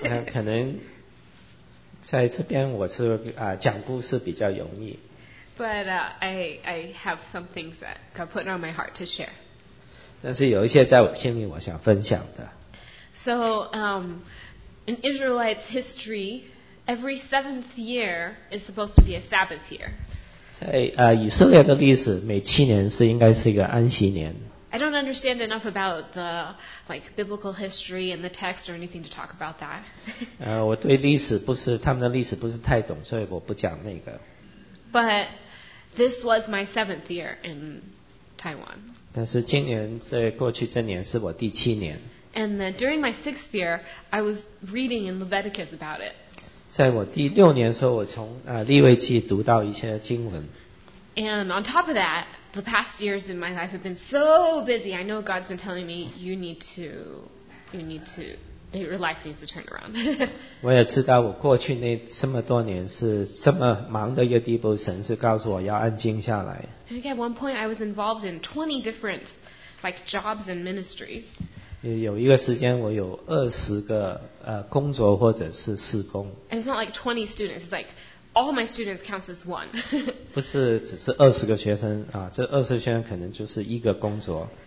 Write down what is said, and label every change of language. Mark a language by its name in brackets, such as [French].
[Chinese] 可能在这边我是讲故事比较容易。 [English] But I have some things that I've put on my heart to share. [Chinese] 但是有一些在我心里我想分享的。 [English] So, in Israelites' history, every seventh year is supposed to be a Sabbath year. [Chinese] 在以色列的历史，每七年是应该是一个安息年。 [English] I don't understand enough about the like biblical history and the text or anything to talk about that. [Chinese] 我对历史不是他们的历史不是太懂，所以我不讲那个。 [English] But this was my seventh year in Taiwan. [Chinese] 但是今年在过去这年是我第七年。 [English] And then during my sixth year, I was reading in Leviticus about it. [Chinese] 在我第六年的时候，我从利未记读到一些经文。 [English] And on top of that, the past years in my life have been so busy. I know God's been telling me you need to your life needs to turn around. [Chinese] 我也知道我过去那这么多年是这么忙的一个地步，神是告诉我要安静下来。 [English] At one point, I was involved in 20 different, like jobs and ministries. [Chinese] 有一个时间我有20个工作或者是事工。 [English] And it's not like 20 students. It's like all my students counts as one. [Chinese] 不是只是二十个学生啊，这二十个学生可能就是一个工作。